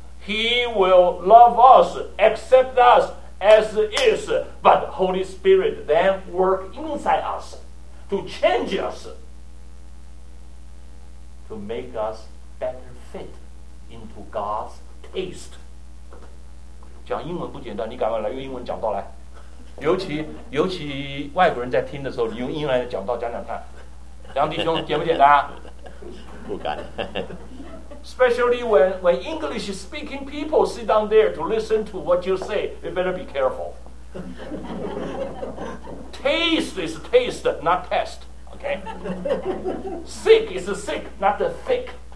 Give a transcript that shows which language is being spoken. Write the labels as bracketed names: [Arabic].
[English] He will love us, accept us as is. But Holy Spirit then work inside us to change us, to make us better fit into God's taste. [Chinese] 讲英文不简单，你赶快来用英文讲到来。尤其外国人在听的时候，你用英文讲道讲讲看，梁弟兄简不简单？不敢。 [English] Especially when English speaking people sit down there to listen to what you say, you better be careful. Taste is taste, not test. Okay. Sick is sick, not the thick.